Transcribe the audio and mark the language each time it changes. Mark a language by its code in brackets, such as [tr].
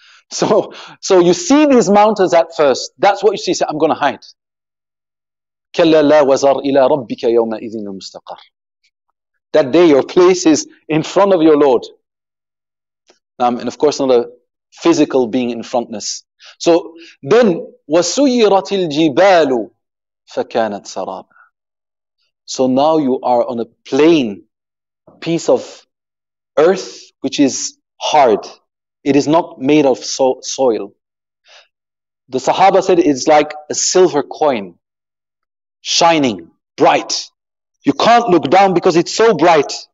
[en] So you see these mountains at first. That's what you see. Say, I'm going to hide. [ar] كَلَّا لَا وَزَرْ إِلَىٰ رَبِّكَ يَوْمَئِذٍ الْمُسْتَقَرِ. [en] That day your place is in front of your Lord. And of course not a physical being in frontness. So then, [ar] وَسُيِّرَتِ الْجِبَالُ فَكَانَتْ سَرَابًا. [en] So now you are on a plain piece of earth which is hard. It is not made of soil. The Sahaba said it's like a silver coin. Shining, bright. You can't look down because it's so bright.